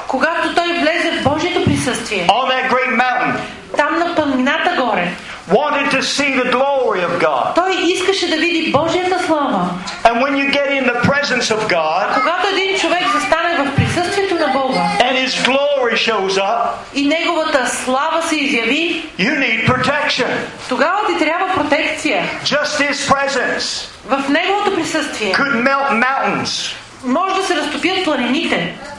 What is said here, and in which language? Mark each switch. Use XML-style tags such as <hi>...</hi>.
<bg>когато той влезе в Божието присъствие,</bg> <en>on that great mountain,</en> <bg>там на планината горе,</bg> <en>wanted to see the glory of God.</en> <bg>Той искаше да види Божията слава.</bg> <en>And when you get in the presence of God,</en> <bg>когато един човек застане в присъствието на Бога,</bg> <en>and his glory shows up,</en> <bg>и неговата слава се изяви,</bg> <en>you need protection.</en> <bg>Тогава ти трябва протекция.</bg> <en>Just his presence</en> <bg>в неговото присъствие</bg> <en>could melt mountains.</en> <bg>Може да се разтопят планините.</bg>